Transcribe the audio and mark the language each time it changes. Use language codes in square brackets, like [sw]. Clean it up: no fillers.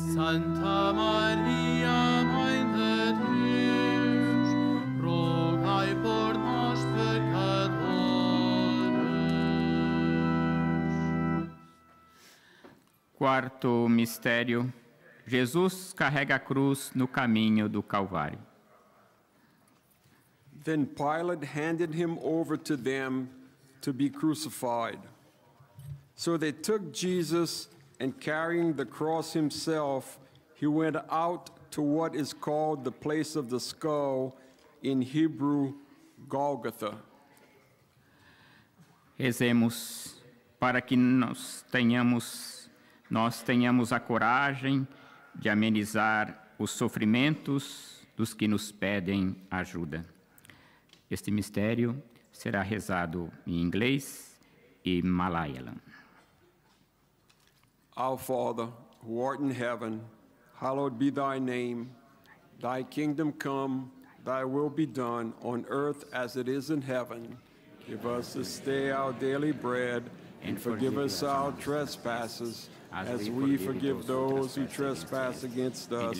[pt] Santa Maria, Mãe de Deus, rogai por nós, pecadores. Quarto mistério: Jesus carrega a cruz no caminho do Calvário. [en] Then Pilate handed him over to them to be crucified. So they took Jesus, and carrying the cross himself, he went out to what is called the place of the skull, in Hebrew, Golgotha. [pt] Rezemos para que nós tenhamos a coragem de amenizar os sofrimentos dos que nos pedem ajuda. Este mistério será rezado em inglês e Malayalam. [en] Our Father, who art in heaven, hallowed be thy name. Thy kingdom come, thy will be done, on earth as it is in heaven. Give us this day our daily bread, and forgive us our trespasses, as we forgive those who trespass against us.